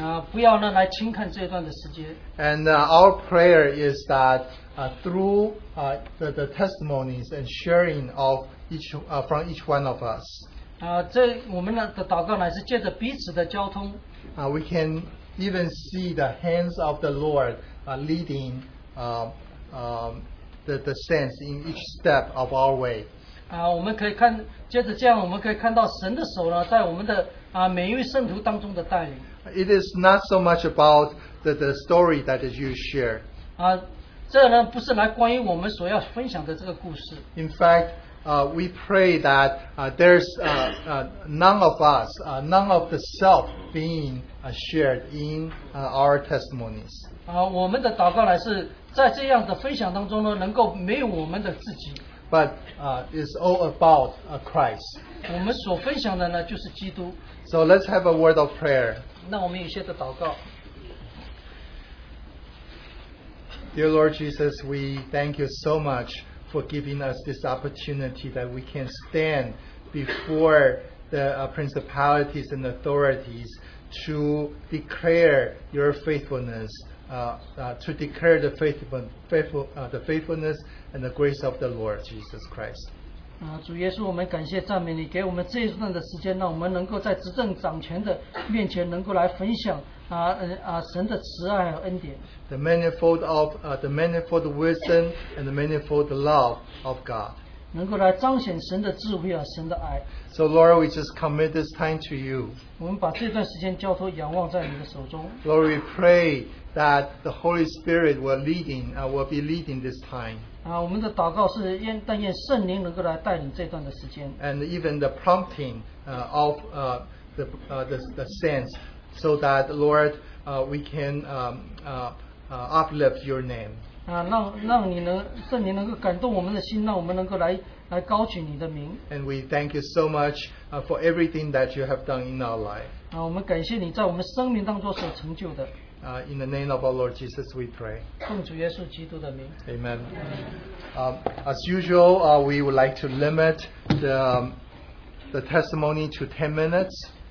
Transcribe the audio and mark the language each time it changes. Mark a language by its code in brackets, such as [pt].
[zh] 不要呢来轻看这段的时间。 [en] And our prayer is that through the testimonies and sharing of each from each one of us. [zh] 这我们的祷告乃是借着彼此的交通。 [en] We can even see the hands of the Lord leading the saints in each step of our way. [zh] 我们可以看，接着这样，我们可以看到神的手呢，在我们的每一位圣徒当中的带领。 [en] It is not so much about the story that you share. [zh] 这呢不是来关于我们所要分享的这个故事。 [en] In fact,we pray that there's none of us, none of the self being shared in our testimonies. [zh] 我们的祷告呢是在这样的分享当中呢，能够没有我们的自己。 [en] But it's all about Christ. [zh] 我们所分享的呢就是基督。 [en] So let's have a word of prayer. [zh] 那我们有些的祷告。 [en] Dear Lord Jesus, we thank you so much. For giving us this opportunity that we can stand before the principalities and authorities to declare your faithfulness, the faithfulness and the grace of the Lord Jesus Christ. [zh] 主耶稣，我们感谢赞美你，给我们这一段的时间，让我们能够在执政掌权的面前，能够来分享神的慈爱和恩典。 [en] The manifold of the manifold wisdom and the manifold love of God. [zh] 能够来彰显神的智慧和神的爱。 [en] So Lord, we just commit this time to you. [zh] 我们把这段时间交托仰望在你的手中。 [en] Lord, we pray that the Holy Spirit will leading, will be leading this time. [zh] 我们的祷告是愿但愿圣灵能够来带领这段的时间。 [en] And even the prompting of the sense, so that Lord, we can uplift your name. [zh] 让你能圣灵能够感动我们的心，让我们能够来高举你的名。 [en] And we thank you so much for everything that you have done in our life. [zh] 我们感谢你在我们生命当中所成就的。 [en] In the name of our Lord Jesus, we pray. [zh] 奉主耶稣基督的名。 [en] Amen. As usual, we would like to limit the testimony to 10 minutes.